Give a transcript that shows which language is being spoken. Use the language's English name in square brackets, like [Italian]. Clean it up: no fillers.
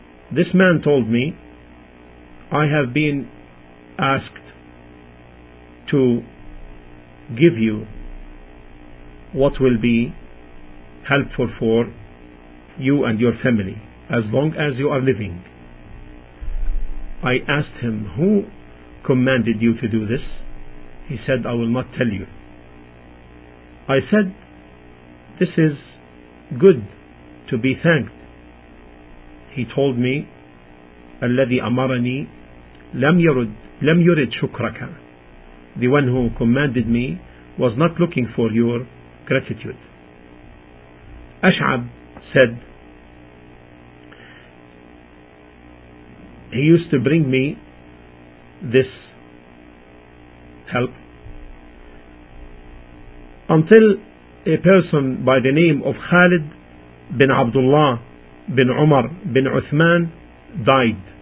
[English] This man told me, I have been asked to give you what will be helpful for you and your family as long as you are living. I asked him, who commanded you to do this? He said, I will not tell you. I said, this is good to be thanked. He told me, [Arabic] الذي أمرني لم يرد شكرك. [English] The one who commanded me was not looking for your gratitude. Ash'ab said, he used to bring me this help until a person by the name of Khalid bin Abdullah bin Umar bin Uthman died.